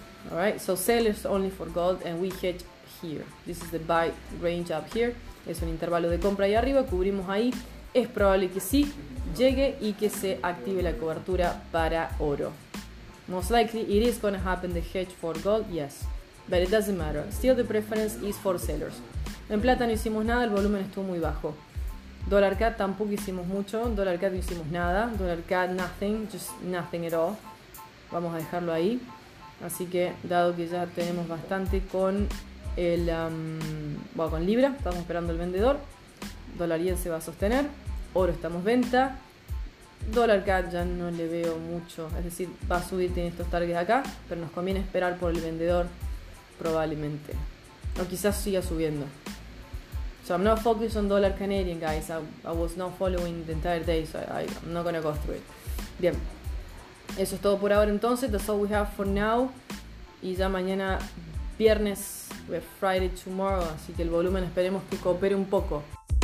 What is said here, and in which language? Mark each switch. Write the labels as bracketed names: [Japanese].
[English] Alright, so sellers only for gold and we hedge here. This is the buy range up here. [Spanish] Es un intervalo de compra ahí arriba, cubrimos ahí. Es probable que sí llegue y que se active la cobertura para oro. [English] Most likely it is going to happen, the hedge for gold, yes. But it doesn't matter. Still the preference is for sellers. [Spanish] En plata no hicimos nada, el volumen estuvo muy bajo. Dollar CAD tampoco hicimos mucho, Dollar CAD no hicimos nada, Dollar CAD [English] nothing, just nothing at all. [Spanish] Vamos a dejarlo ahí. Así que dado que ya tenemos bastante con el con libra, estamos esperando el vendedor. Dollar yen se va a sostener, oro estamos venta. Dollar CAD ya no le veo mucho, es decir, va a subir, tiene estos targets acá, pero nos conviene esperar por el vendedor probablemente. O quizás siga subiendo. [English] So I'm not focused on dollar Canadian, guys. I was not following the entire day, so I'm not going to go through it. [Spanish] Bien. Eso es todo por ahora entonces. [English] That's all we have for now. [Spanish] Y ya mañana, viernes, [English] we have Friday tomorrow. [Spanish] Así que el volumen esperemos que coopere un poco.